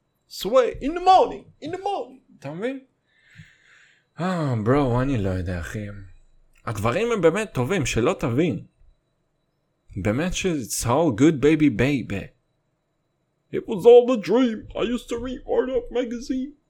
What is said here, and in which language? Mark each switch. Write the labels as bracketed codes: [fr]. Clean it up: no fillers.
[en] Sway, in the morning, in the morning. [he] אתה מבין? ברו, אני לא יודע, אחי. הדברים הם באמת טובים, שלא תבין. באמת ש- [en] it's all good, baby, baby. It was all a dream. I used to read Art Up magazine.